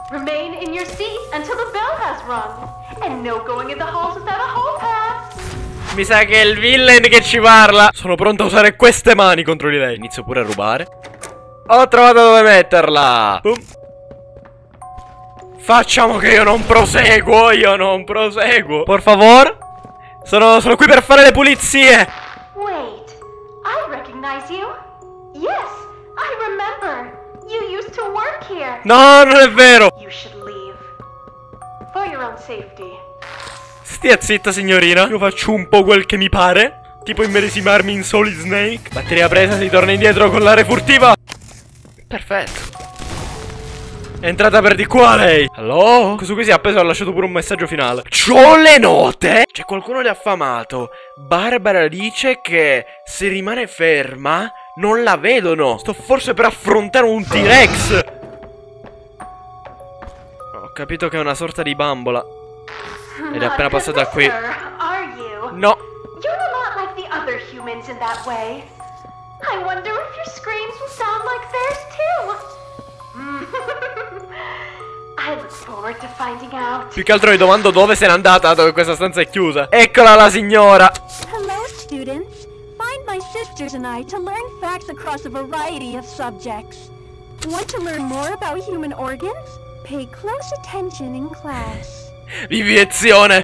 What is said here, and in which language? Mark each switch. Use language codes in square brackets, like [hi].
[en] Remain in your seat until the bell has rung. And no going in the halls without a hall pass. [it] Mi sa che è il villain che ci parla. Sono pronto a usare queste mani contro di lei. Inizio pure a rubare. Ho trovato dove metterla. Boom. Facciamo che io non proseguo. Io non proseguo. [es] Por favor. [it] Sono qui per fare le pulizie. [en] Wait, I recognize you. Yes, I remember. You used to work here. [it] No, non è vero. [en] You should leave. For your own safety. [it] Stia zitta, signorina. Io faccio un po' quel che mi pare. Tipo immedesimarmi in Solid Snake. Batteria presa, si torna indietro con l'area furtiva. Perfetto. È entrata per di qua, lei. Allo? Questo qui si è appeso e ha lasciato pure un messaggio finale. C'ho le note! C'è qualcuno di affamato. Barbara dice che se rimane ferma... Non la vedono. Sto forse per affrontare un T-Rex. Ho capito che è una sorta di bambola. Ed è appena passata qui. No. [en] You're not like the other humans in that way. I wonder if your screams will sound like theirs too. I look forward to finding out. [it] Più che altro mi domando dove se n'è andata, dato che questa stanza è chiusa. Eccola la signora. [en] Hello students. My sisters and I to learn facts across a variety of subjects. Want to learn more about human organs? Pay close attention in class. Viviezione!